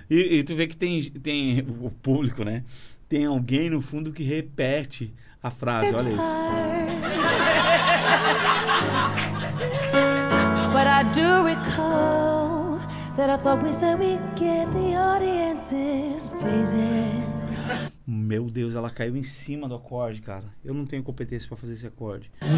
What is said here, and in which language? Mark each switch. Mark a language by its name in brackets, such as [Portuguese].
[Portuguese] E tu vê que tem o público, né? Tem alguém no fundo que repete a frase. Olha isso. [English] But I do recall that I thought we said we'd get the audience's phasing. [Portuguese] Meu Deus, ela caiu em cima do acorde, cara. Eu não tenho competência pra fazer esse acorde.